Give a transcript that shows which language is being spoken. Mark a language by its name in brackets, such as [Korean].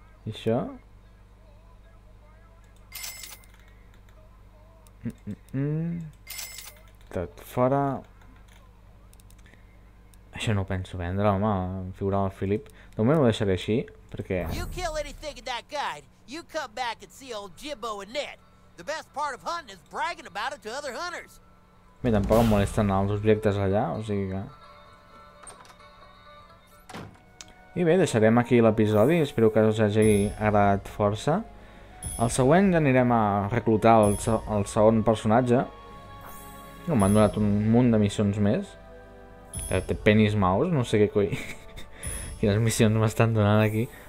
[Catalan] I això? Tot fora. Això no ho penso vendre, home, figura del Philip. De moment ho deixaré així, perquè... [English] You kill anything in that guide, you come back and see old Jimbo and Ned. The best part of hunting is bragging about it to other hunters. [Catalan] Bé, tampoc em molesten els objectes allà, o sigui que... I bé, deixarem aquí l'episodi, espero que us hagi agradat força. El següent ja anirem a reclutar el segon personatge. No, m'han donat un munt de missions més. Té penis maus, no sé què coi... Quines missions m'estan donant aquí.